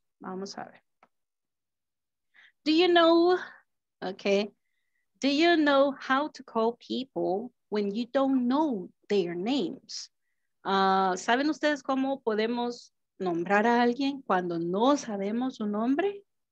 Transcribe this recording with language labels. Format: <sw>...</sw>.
<es>Vamos a ver.</es> <en>Do you know, okay? Do you know how to call people when you don't know their names?</en> <es>¿Saben ustedes cómo podemos nombrar a alguien cuando no sabemos su nombre?</es>